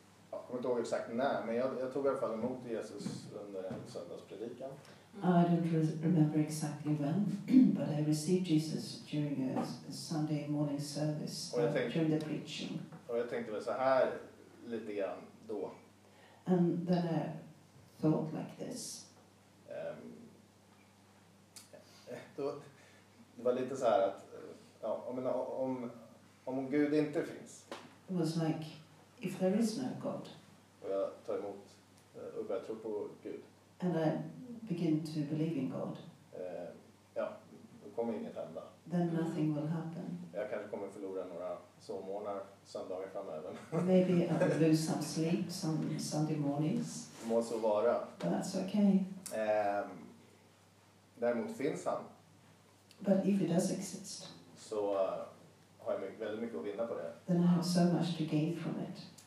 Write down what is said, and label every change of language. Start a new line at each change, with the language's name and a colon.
Swedish: Jag kommer inte ihåg exakt när, men jag tog i alla fall emot Jesus under en söndagspredikan.
English: I don't remember exactly when, but I received Jesus during a Sunday morning service, during the preaching.
Swedish: Och jag tänkte väl så här lite grann då.
English: And then I thought like this.
Swedish: Det var lite så här att ja, om Gud inte finns.
English: It was like if there is no God.
Swedish: Och jag tar emot och börjar tro på Gud.
English: And I begin to believe in God.
Swedish: Då kommer inget hända.
English: Then nothing will happen.
Swedish: Jag kanske kommer förlora några sovmorgnar söndagar framöver.
English: Maybe I'll lose some sleep some Sunday mornings.
Swedish: Må så vara.
English: But that's okay.
Swedish: Däremot finns han.
English: But if it does exist,
Swedish: så har jag väldigt mycket att vinna på det.
English: Then I have so much to gain from it.